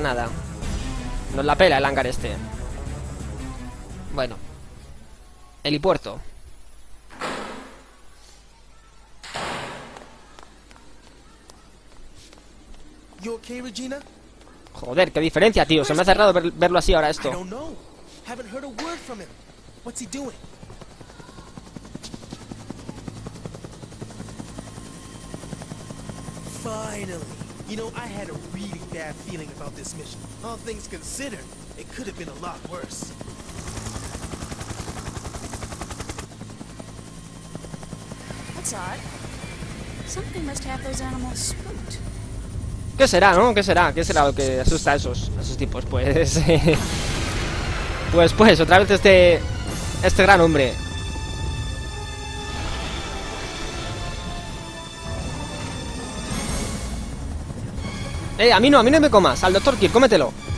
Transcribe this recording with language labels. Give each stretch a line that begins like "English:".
Spanish: Nada. Nos la pela el hangar este. Bueno. Helipuerto.
English: You okay, Regina?
Spanish: Joder, qué diferencia, tío. Se me ha cerrado verlo así ahora esto.
English: I don't know. Haven't heard a word from him. What's he doing? Finally. You know, I had a really bad feeling about this mission. All things considered, it could have been a lot worse. What's odd? Something must have those animals spooked.
Spanish: ¿Qué será, no? ¿Qué será? ¿Qué será lo que asusta a esos tipos? Pues... pues, otra vez este gran hombre. ¡Eh! A mí no me comas. Al Dr. Kirk, cómetelo.